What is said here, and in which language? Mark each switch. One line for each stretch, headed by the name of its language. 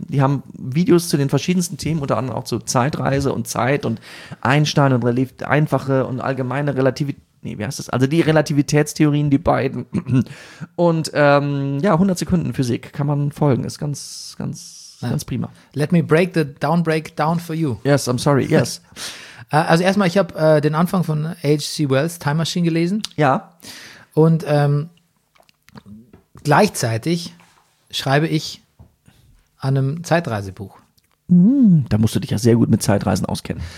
German: Die haben Videos zu den verschiedensten Themen, unter anderem auch zu Zeitreise und Zeit und Einstein und einfache und allgemeine Relativität. Nee, wie heißt das? Also die Relativitätstheorien, die beiden. Und 100 Sekunden Physik kann man folgen, ist ganz, ganz... Ganz prima.
English: Let me break the down break down for you. Yes, I'm sorry. Yes.
German: Also erstmal, ich habe den Anfang von H.C. Wells' Time Machine gelesen. Ja. Und gleichzeitig schreibe ich an einem Zeitreisebuch. Da musst du dich ja sehr gut mit Zeitreisen auskennen.